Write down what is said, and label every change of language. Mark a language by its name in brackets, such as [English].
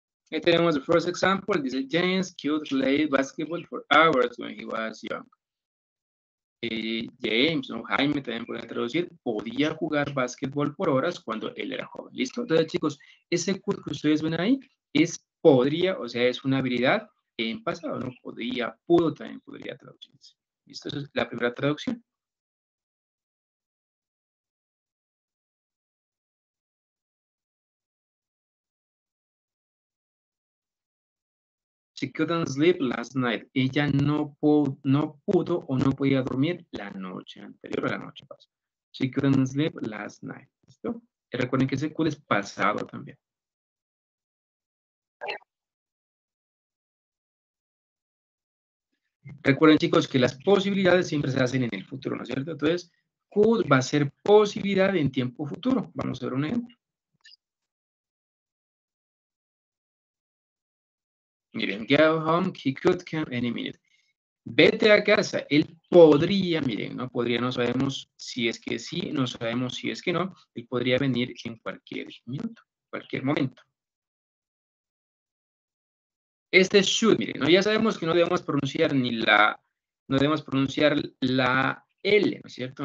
[Spanish] Ahí tenemos el [English] first example, [Spanish] dice [English] James could play basketball for hours when he was young. [Spanish] James, ¿no? Jaime también puede traducir, podía jugar basketball por horas cuando él era joven. ¿Listo? Entonces, chicos, ese could que ustedes ven ahí es podría, o sea, es una habilidad en pasado, ¿no? Podía, pudo también podría traducirse. ¿Listo? Esa es la primera traducción. [English] She couldn't sleep last night. [Spanish] Ella no pudo o no podía dormir la noche anterior a la noche pasada. [English] She couldn't sleep last night. [Spanish] ¿Listo? Recuerden que ese cool es pasado también. Recuerden, chicos, que las posibilidades siempre se hacen en el futuro, ¿no es cierto? Entonces, could va a ser posibilidad en tiempo futuro. Vamos a ver un ejemplo. [English] Miren, go home, he could come any minute. [Spanish] Vete a casa, él podría, miren, no podría, no sabemos si es que sí, no sabemos si es que no, él podría venir en cualquier minuto, cualquier momento. Este should, miren, ¿no? Ya sabemos que no debemos pronunciar ni la, no debemos pronunciar la L, ¿no es cierto?